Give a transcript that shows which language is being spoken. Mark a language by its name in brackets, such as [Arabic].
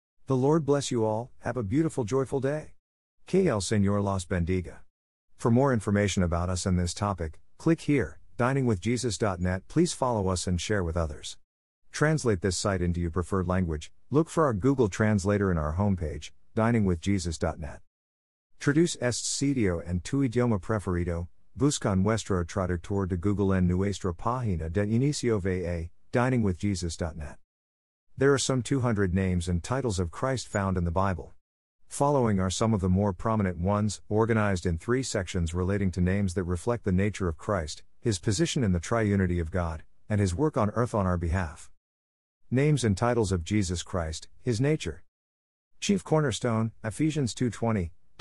[English] The Lord bless you all, have a beautiful, joyful day. [Spanish] Que el Señor los bendiga. [English] For more information about us and this topic, click here, diningwithjesus.net. Please follow us and share with others. Translate this site into your preferred language, look for our Google Translator in our homepage, diningwithjesus.net. [Spanish] Traduce este sitio en tu idioma preferido, busca nuestro traductor de Google en nuestra página de inicio VA, diningwithjesus.net. [English] There are some 200 names and titles of Christ found in the Bible. Following are some of the more prominent ones, organized in three sections relating to names that reflect the nature of Christ, His position in the triunity of God, and His work on earth on our behalf. Names and titles of Jesus Christ, His nature. Chief Cornerstone, Ephesians 2:20.